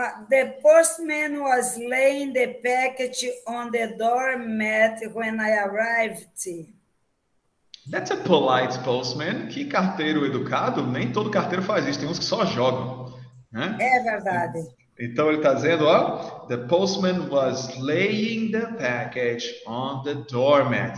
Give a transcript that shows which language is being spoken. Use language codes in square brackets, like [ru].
[en] The postman was laying the package on the doormat when I arrived. That's a polite postman. [pt] Que carteiro educado. Nem todo carteiro faz isso. Tem uns que só jogam. Né? É verdade. Então, ele está dizendo, ó. [en] The postman was laying the package on the doormat.